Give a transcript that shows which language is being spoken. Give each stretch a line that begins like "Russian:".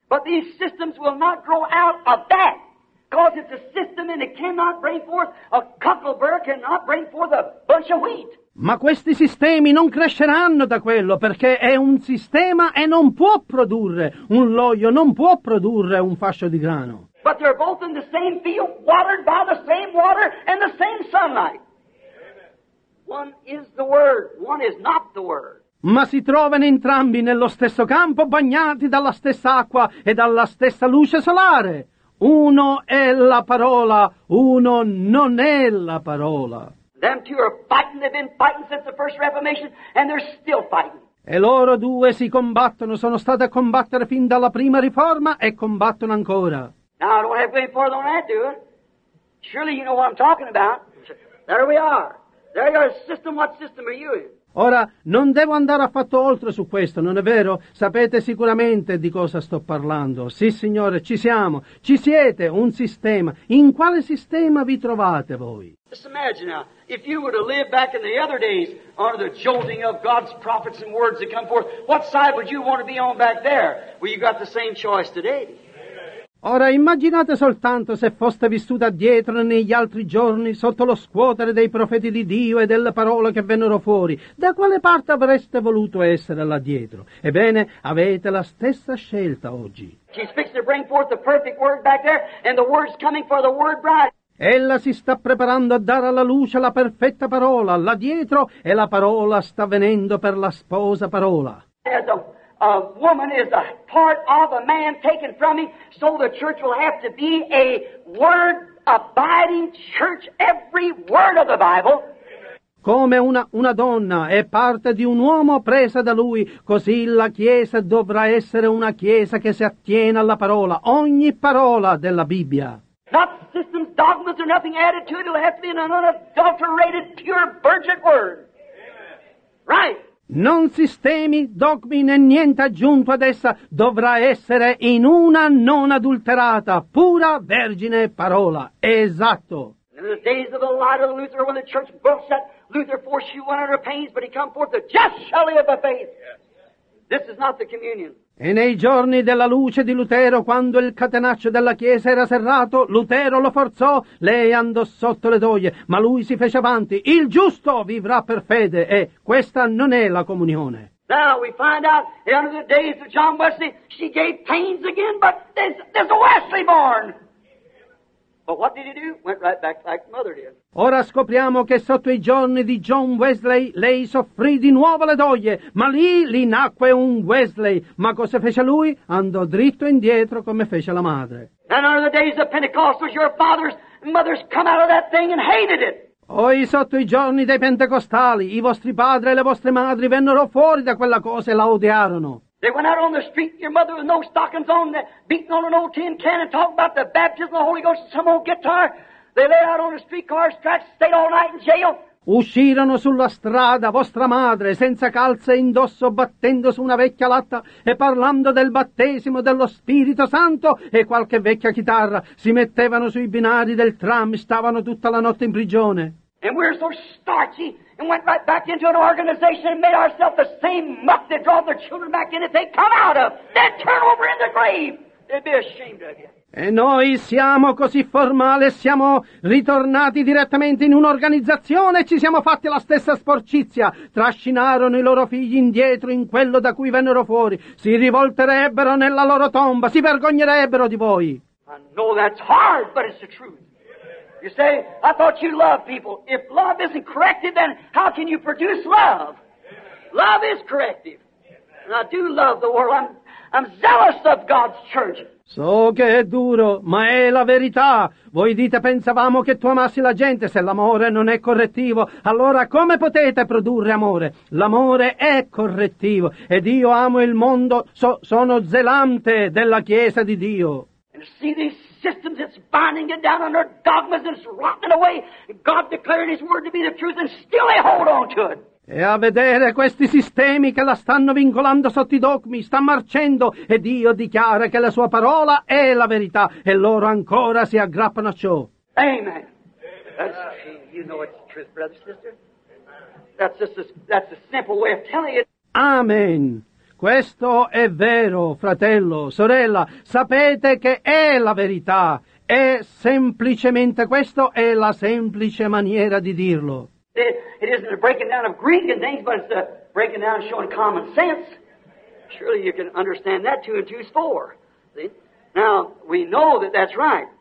English: But these systems will not grow out of that. Because it's a system and it cannot bring forth, a cuckoo burr cannot bring forth a bunch of wheat.
Italian: Ma questi sistemi non cresceranno da quello, perché è un sistema e non può produrre un loio, non può produrre un fascio di grano.
English: But they're both in the same field, watered by the same water and the same sunlight. One is the word, one is not the word.
Italian: Ma si trovano entrambi nello stesso campo, bagnati dalla stessa acqua e dalla stessa luce solare. Uno è la parola, uno non è la parola.
English: Them two are fighting, they've been fighting since the first Reformation, and they're still fighting.
Italian: E loro due si combattono, sono stati a combattere fin dalla prima riforma e combattono ancora.
English: Now I don't have to go any further on that, do I? Surely you know what I'm talking about. There we are. There you are. System, what system are you in?
Italian: Ora, non devo andare affatto oltre su questo, non è vero? Sapete sicuramente di cosa sto parlando. Sì, signore, ci siamo, ci siete, un sistema. In quale sistema vi trovate voi?
English: Just imagine now, if you were to live back in the other days, under the jolting of God's prophets and words that come forth, what side would you want to be on back there? Well, you've got the same choice today.
Italian: Ora immaginate soltanto se foste vissuta dietro negli altri giorni sotto lo scuotere dei profeti di Dio e delle parole che vennero fuori. Da quale parte avreste voluto essere là dietro? Ebbene, avete la stessa scelta oggi.
English: She's fixed to bring forth the perfect word back there, and the word's coming for the word bride.
Italian: Ella si sta preparando a dare alla luce la perfetta parola là dietro, e la parola sta venendo per la sposa parola.
English: A woman is a part of a man taken from him, so the church will have to be a word-abiding church, every word of the Bible.
Italian: Come una donna è parte di un uomo presa da lui, così la Chiesa dovrà essere una Chiesa che si attiene alla parola, ogni parola della Bibbia.
English: Not systems, dogmas, or nothing added to it, it'll have to be an unadulterated, pure, virgin word. Right.
Italian: Non sistemi, dogmi né niente aggiunto ad essa, dovrà essere in una non adulterata, pura, vergine parola. Esatto.
English: In the days of the light of Luther, when the church broke shut, Luther forced you under pains, but he come forth the just shall live by faith. This is not the communion.
Italian: E nei giorni della luce di Lutero, quando il catenaccio della chiesa era serrato, Lutero lo forzò, lei andò sotto le doglie, ma lui si fece avanti. Il giusto vivrà per fede, e questa non è la comunione.
English: Now we find out, in the days of John Wesley, she gave pains again, but there's a Wesley born. But what did he do? Went right back like mother did.
Italian: Ora scopriamo che sotto i giorni di John Wesley lei soffrì di nuovo le doglie, ma lì nacque un Wesley. Ma cosa fece lui? Andò dritto indietro come fece la madre.
English: And under the days of Pentecost, your fathers and mothers come out of that thing and hated it.
Italian: Oi, sotto i giorni dei pentecostali, i vostri padri e le vostre madri vennero fuori da quella cosa e la odiarono.
English: They went out on the street, your mother with no stockings on, beating on an old tin can and talking about the baptism of the Holy Ghost and some old guitar. They lay out on the streetcar's tracks, stayed all night in jail.
Italian: Uscirono sulla strada vostra madre, senza calze indosso, battendo su una vecchia latta e parlando del battesimo dello Spirito Santo e qualche vecchia chitarra. Si mettevano sui binari del tram, stavano tutta la notte in prigione.
English: And we're so starchy and went right back into an organization and made ourselves the same muck that draws the children back in if they come out of. They'd turn over in the grave. They'd be ashamed of you.
Italian: E noi siamo così formali, siamo ritornati direttamente in un'organizzazione e ci siamo fatti la stessa sporcizia. Trascinarono i loro figli indietro in quello da cui vennero fuori. Si rivolterebbero nella loro tomba, si vergognerebbero di voi.
English: I know that's hard, but it's the truth. You say, I thought you loved people. If love isn't corrective, then how can you produce love? Love is corrective. And I do love the world. I'm zealous of God's church.
Italian: So che è duro, ma è la verità. Voi dite, pensavamo che tu amassi la gente. Se l'amore non è correttivo, allora come potete produrre amore? L'amore è correttivo. Ed io amo il mondo, sono zelante della Chiesa di Dio.
English: And see these systems, it's binding it down under dogmas, and it's rotting away. God declared his word to be the truth, and still they hold on to it.
Italian: E a vedere questi sistemi che la stanno vincolando sotto i dogmi, sta marcendo, e Dio dichiara che la sua parola è la verità, e loro ancora si aggrappano a ciò.
English: Amen. That's, you know it's truth, brother, sister. That's just a simple way of telling it. Amen.
Italian: Questo è vero, fratello, sorella, sapete che è la verità. È semplicemente questo, è la semplice maniera di dirlo.
English: It isn't a breaking down of Greek and things, but it's a breaking down of showing common sense. Surely you can understand that 2 and 2 is 4. See? Now, we know that that's right.